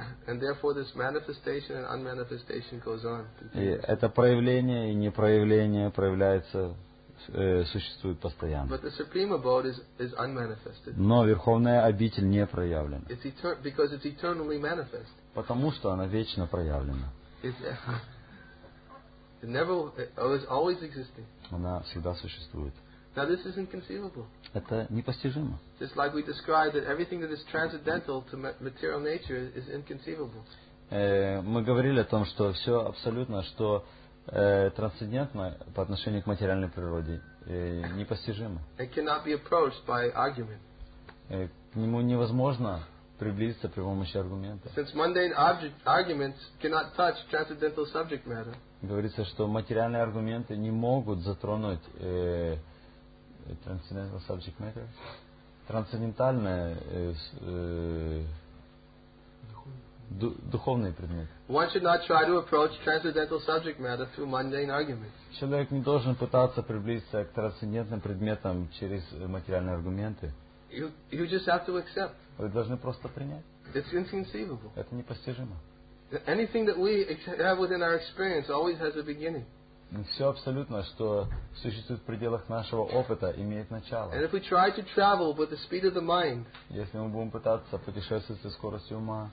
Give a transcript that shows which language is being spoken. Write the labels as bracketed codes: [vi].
[en] And therefore, this manifestation and unmanifestation goes on. [ru] И это проявление и непроявление проявляется, существует постоянно. [en] But the supreme abode is unmanifested. [ru] Но верховная обитель не проявлена. [en] Because it's eternally manifest. [ru] Потому что она вечно проявлена. [en] It was always existing. [ru] Она всегда существует. [en] Now this is inconceivable. [ru] Это непостижимо. [en] Just like we described that everything that is transcendental to material nature is inconceivable. [ru] Мы говорили о том, что все абсолютно, что трансцендентно по отношению к материальной природе, непостижимо. [en] It cannot be approached by argument. [ru] К нему невозможно приблизиться при помощи аргумента. [en] Since mundane arguments cannot touch transcendental subject matter. [ru] Говорится, что материальные аргументы не могут затронуть [en] transcendental subject matter, [ru] трансцендентальные духовные предметы. [en] One should not try to approach transcendental subject matter through mundane arguments. [ru] Человек не должен пытаться приблизиться к трансцендентным предметам через материальные аргументы. [en] You just have to accept. [ru] Вы должны просто принять. [en] It's inconceivable. [ru] Это непостижимо. [en] Anything that we have within our experience always has a beginning. [ru] Все абсолютно, что существует в пределах нашего опыта, имеет начало. [en] And if we try to travel with the speed of the mind, [ru] если мы будем пытаться путешествовать со скоростью ума,